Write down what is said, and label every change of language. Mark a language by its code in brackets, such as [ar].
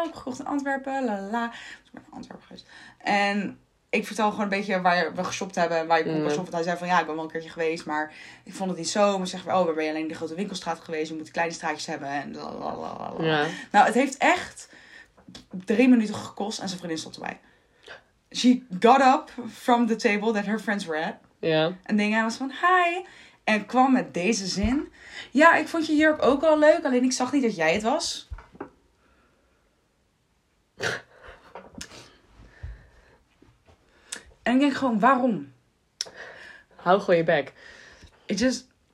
[nl] Ik heb gekocht in Antwerpen, lalala. Dus ik ben naar Antwerpen geweest. En ik vertel gewoon een beetje waar we geshopt hebben. Waar ik op was. Want hij zei van, ja, ik ben wel een keertje geweest, maar ik vond het niet zo. Maar zeg, oh, waar ben je alleen in de grote winkelstraat geweest? Je moet kleine straatjes hebben. En lalalala. Ja. Nou, het heeft echt 3 minuten gekost en zijn vriendin stond erbij. [en] She got up from the table that her friends were at. [nl] Ja. En ding, hij was van, hi. En kwam met deze zin. Ja, ik vond je jurk ook wel leuk, alleen ik zag niet dat jij het was. En ik denk gewoon, waarom? Hou gewoon je bek. [en] It just.